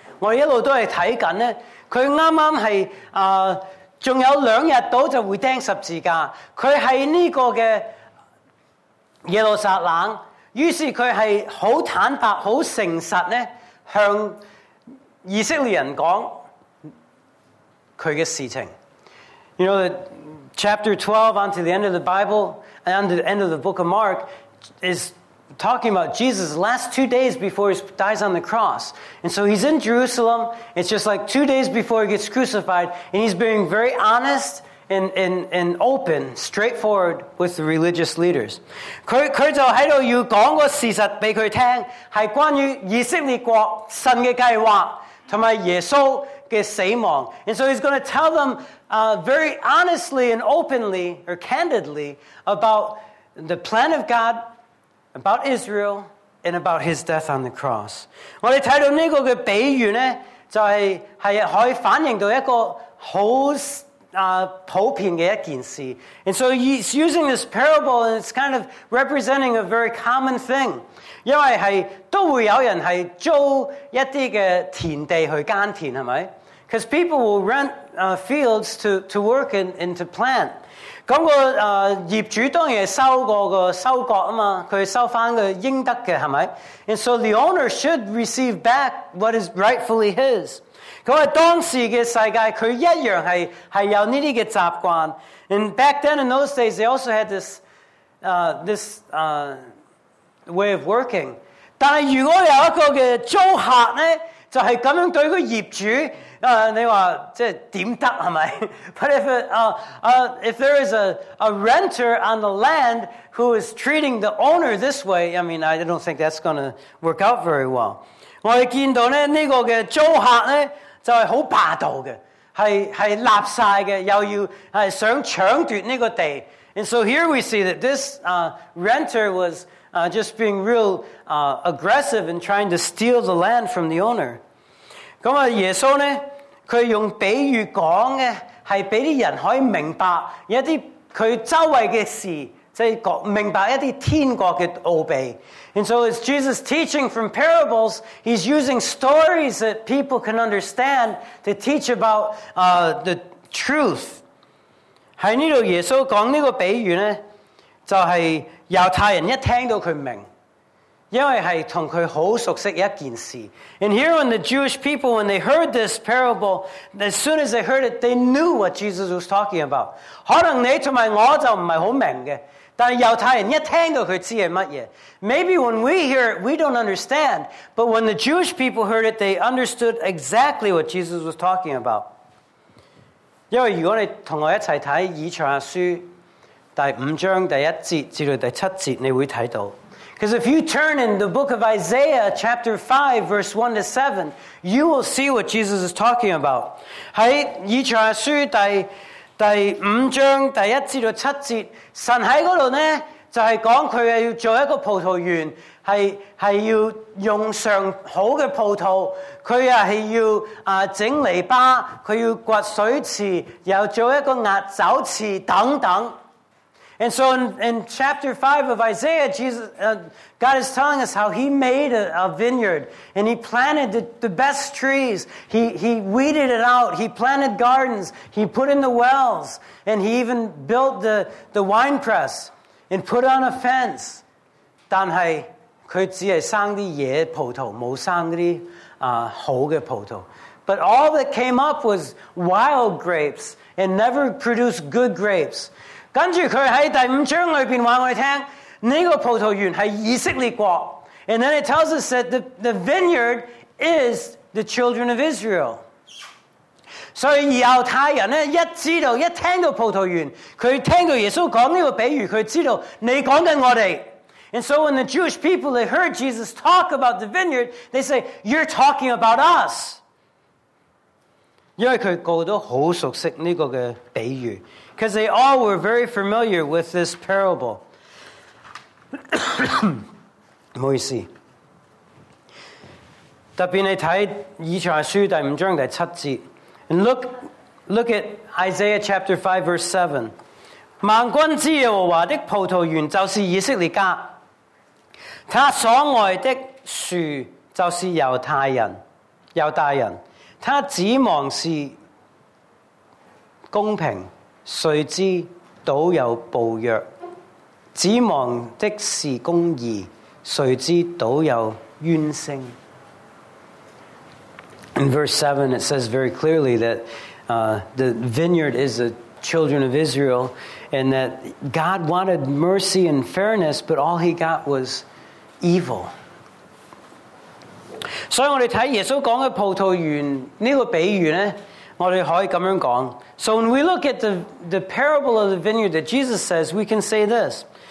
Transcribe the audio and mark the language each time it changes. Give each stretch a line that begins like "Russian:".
Chinese: 我一路都是在看呢，他刚刚是还有两日到就会钉十字架，他在这个的耶路撒冷，于是他是很坦白很诚实呢，向以色列人讲他的事情。
English: You know, chapter 12 until the end of the Bible, and until the end of the book of Mark, is talking about Jesus' last 2 days before he dies on the cross. And so he's in Jerusalem, it's just like 2 days before he gets crucified, and he's being very honest and open, straightforward with the religious leaders.
Chinese: 他就在这里要讲个事实给他听，是关于以色列国神的计划，还有耶稣的死亡。
English: And so he's going to tell them very honestly and openly or candidly about the plan of God, about Israel, and about his death on the cross.
Chinese: 我们看到这个的比喻呢，就是可以反映到一个很普遍的一件事。
English: And so he's using this parable and it's kind of representing a very common thing.
Chinese: 因为是都会有人是租一些田地去耕田，是不是？
English: Because people will rent fields to work and to plant.
Chinese: 那个业主当然是收过个收割嘛，他收回个应得的，是不是？
English: And so the owner should receive back what is rightfully his.
Chinese: 他说当时的世界他一样 是有这些习惯。
English: And back then in those days, they also had this way of working.
Chinese: 但如果有一个租客呢，就是这样对个业主，你说即点得系咪？
English: But if there is a renter on the land who is treating the owner this way, I mean, I don't think that's going to work out very well.
Chinese: 我哋见到咧呢个嘅租客咧就系好霸道嘅，系立晒嘅，又要系想抢夺呢个地。
English: And so here we see that this renter was just being real aggressive and trying to steal the land from the owner.
Chinese: 咁啊，耶稣呢？他用比喻讲的是给人们可以明白一些他周围的事，就是明白一些天国的奥秘。
English: And so as Jesus teaching from parables, he's using stories that people can understand to teach about the truth.
Chinese: 在这里耶稣讲这个比喻呢，就是犹太人一听到他明白，因为是跟他很熟悉一件事。
English: And here when the Jewish people, when they heard this parable, as soon as they heard it, they knew what Jesus was talking about.
Chinese: 可能你和我就不是很明白，但犹太人一听到他知道什么。
English: Maybe when we hear it, we don't understand, but when the Jewish people heard it, they understood exactly what Jesus was talking about.
Chinese: 因为如果你跟我一起看以赛亚书第五章第一节至第七节，你会看到。
English: Because if you turn in the book of Isaiah, chapter 5, verse 1 to 7, you will see what Jesus is talking about.
Chinese: 在以赛亚书第五章第一节到七节，神在那里呢，就是讲他要做一个葡萄园，是要用上好的葡萄，他是要整篱笆，他要掘水池，又做一个压酒池等等。
English: And so in chapter 5 of Isaiah, Jesus, God is telling us how he made a vineyard and he planted the best trees. He weeded it out. He planted gardens. He put in the wells. And he even built the wine press and put on a fence.
Chinese: 但是他只是生的野葡萄，没有生的好的葡萄。
English: But all that came up was wild grapes and never produced good grapes.
Chinese: 跟住佢喺第五章里边话我哋听，呢个葡萄园系以色列国。
English: And then it tells us that the vineyard is the children of Israel.
Chinese: 所以犹太人咧一知道，一听到葡萄园，佢听到耶稣讲呢个比喻，佢知道你讲紧我哋。
English: And so when the Jewish people they heard Jesus talk about the vineyard, they say, "You're talking about us."
Chinese: 因为佢个个都好熟悉呢个嘅比喻。
English: Because they all were very familiar with this parable.
Chinese: 不好意思，特别你睇以赛亚书第五章第七节。
English: And look, Look at Isaiah chapter 5 verse 7.
Chinese: 万军之耶和华的葡萄园就是以色列家, 他所爱的树就是犹太人, 犹大人, 他指望是公平, 谁知倒有暴虐, 指望的是公义, 谁知倒有冤声。
English: In verse 7, it says very clearly that the vineyard is the children of Israel, and that God wanted mercy and fairness, but all he got was evil. So we look at Jesus' parable, so when we look at the parable of the vineyard that Jesus says, we can say this.